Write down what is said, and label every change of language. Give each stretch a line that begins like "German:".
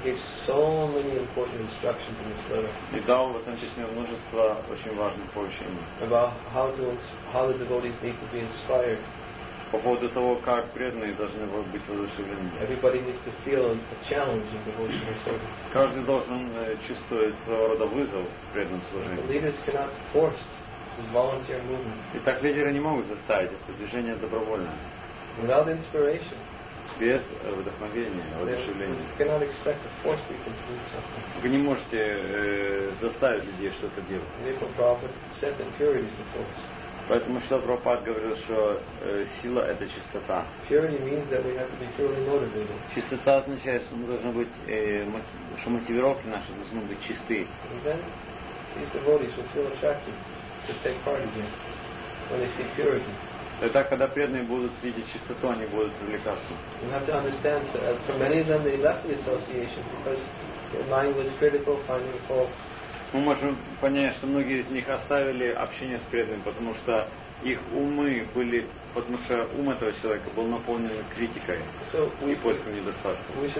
English: He gave so many important instructions in this letter.
Russian: И дал в этом письме множество очень важных поручений.
English: About how the devotees need to be inspired.
Russian: По поводу того, как преданные должны быть воодушевлены.
English: Everybody needs to feel a challenge in devotional service.
Russian: Каждый должен чувствовать своего рода вызов в преданном служении.
English: But leaders cannot force. This is volunteer movement.
Russian: Итак, лидеры не могут заставить. Это движение добровольное.
English: Without inspiration.
Russian: Без вдохновения, воодушевления.
English: You cannot expect to force people to do something.
Russian: Вы не можете заставить людей что-то делать.
English: They will profit, set impurities, of course.
Russian: Поэтому Шрила Прабхупад говорил, что сила — это чистота.
English: Purity means that we have to be purely motivated.
Russian: Чистота означает, что мы должны быть, что мотивировки наши должны быть чисты.
English: And then these devotees will feel attracted to take part again when they see purity.
Russian: Тогда, когда преданные будут видеть чистоту, они будут увлекаться.
English: You have to understand that for many of them they left the association because their mind was critical, finding faults.
Russian: Мы можем понять, что многие из них оставили общение с преданными, потому что их умы были, потому что ум этого человека был наполнен критикой и поиском недостатков.